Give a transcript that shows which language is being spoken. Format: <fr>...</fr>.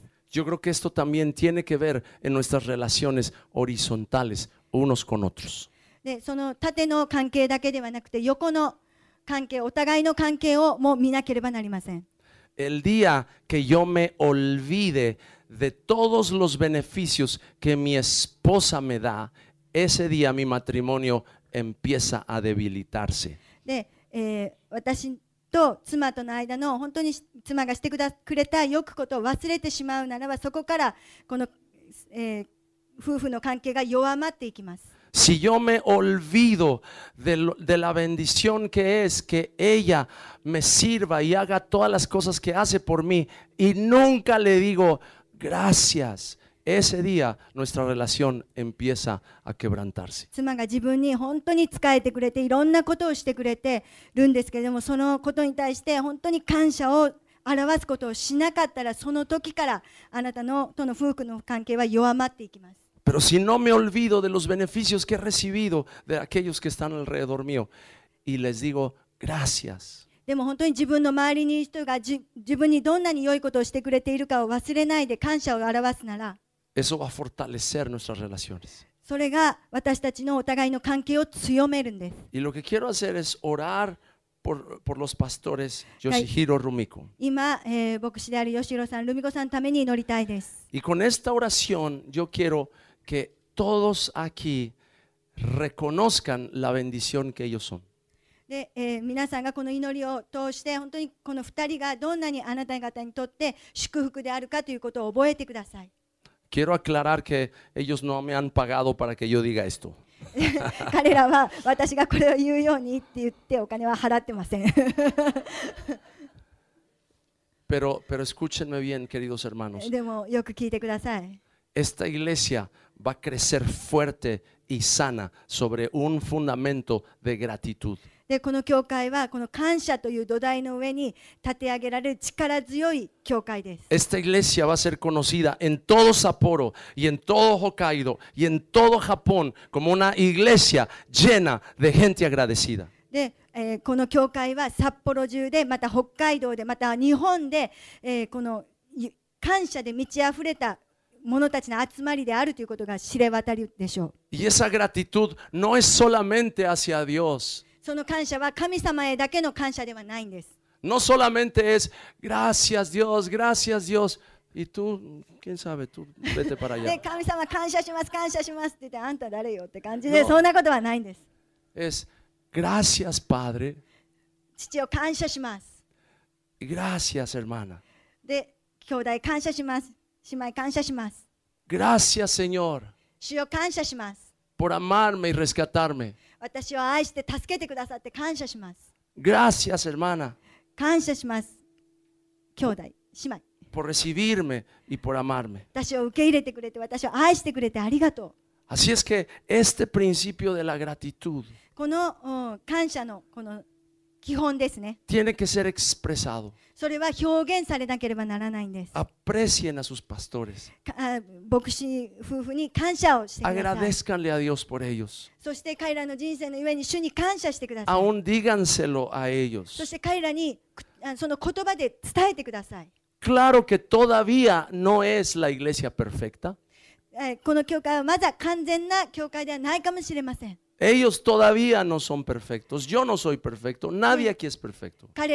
<es>Yo creo que esto también tiene que ver en nuestras relaciones horizontales unos con otros.</es> <ja>De, その縦の関係だけではなくて横の関係、お互いの関係をも見なければなりません。</ja> <es>El día que yo me olvide de todos los beneficios que mi esposa me da, ese día mi matrimonio empieza a debilitarse.</es> <ja>で、私と妻との間の本当に妻がしてくれた良くことを忘れてしまうならば、そこからこの、夫婦の関係が弱まっていきます。</ja> <es>Si yo me olvido de la bendición que es que ella me sirva y haga todas las cosas que hace por mí y nunca le digo gracias, ese día nuestra relación empieza a quebrantarse.</es> <ja>妻が自分に本当に仕えてくれていろんなことをしてくれてるんですけれども、そのことに対して本当に感謝を表すことをしなかったら、その時からあなたのとの夫婦の関係は弱まっていきます。</ja> <es>Pero si no me olvido de los beneficios que he recibido de aquellos que están alrededor mío y les digo gracias.</es> <ja>でも本当に自分の周りに人が自分にどんなに良いことをしてくれているかを忘れないで感謝を表すなら、</ja> <es>eso va a fortalecer nuestras relaciones.</es> <ja>それが私たちのお互いの関係を強めるんです。</ja> <es>Y lo que quiero hacer es orar por los pastores Yoshihiro Rumiko.</es> <ja>今、牧師であるヨシヒロさん、ルミコさんのために祈りたいです。</ja> <es>Y con esta oración yo quieroque todos aquí reconozcan la bendición que ellos son.</es> <ja>で、皆さんがこの祈りを通して本当にこの2人がどんなにあなた方にとって祝福であるかということを覚えてください。</ja> <es>Quiero aclarar que ellos no me han pagado para que yo diga esto.</es> <ja>彼らは私がこれを言うようにって言ってお金は払ってません。</ja> <es>pero escúchenme bien, queridos hermanos.</es> <ja>でもよく聞いてください。</ja> <es>Esta iglesia va a crecer fuerte y sana sobre un fundamento de gratitud.</es> <ja>で、この教会はこの感謝という土台の上に立て上げられる力強い教会です。</ja> <es>Esta iglesia va a ser conocida en todo Sapporo y en todo Hokkaido y en todo Japón como una iglesia llena de gente agradecida.</es> <ja>で、この教会は札幌中で、また北海道で、また日本で、この感謝で満ち溢れた者たちの集まりであるということが知れ渡るでしょう。</ja> <es>Y esa gratitud no es solamente hacia Dios.</es> <ja>その感謝は神様へだけの感謝ではないんです。</ja> <es>No solamente es gracias Dios, gracias Dios. Y tú, quién sabe, tú vete para allá.</es> <ja>神様感謝します感謝しますって言って、あんた誰よって感じで、no. そんなことはないんです。</ja> <es>Es gracias Padre.</es> <ja>父を感謝します。</ja> <es>Gracias hermana.</es> <ja>で、兄弟感謝します。姉妹感謝します。</ja> <es>Gracias Señor.</es> <ja>主よ感謝します。</ja> <es>Por amarme y rescatarme.</es> <ja>私を愛して助けてくださって感謝します。</ja> <es>Gracias hermana.</es> <ja>感謝します。兄弟姉妹。</ja> <es>Por recibirme y por amarme.</es> <ja>私を受け入れてくれて、私を愛してくれてありがとう。</ja> <es>Así es que este principio de la gratitud.</es> <ja>この感謝のこの基本ですね。</ja> <es>Tiene que ser expresado.</es> <ja>それは表現されなければならないんです。</ja> <es>Aprecien a sus pastores.</es> <ja>牧師夫婦に感謝をしてください。</ja> <es>Agradezcanle a Dios por ellos.</es> <ja>そして彼らの人生の上に主に感謝してください。</ja> <es>Aún díganselo a ellos.</es> <ja>そして彼らにその言葉で伝えてください。</ja> <es>Claro que todavía no es la iglesia perfecta.</es> <ja>この教会はまだ完全な教会ではないかもしれません。</ja> <es>Ellos todavía no son perfectos. Yo no soy perfecto. Nadie aquí es perfecto.</es>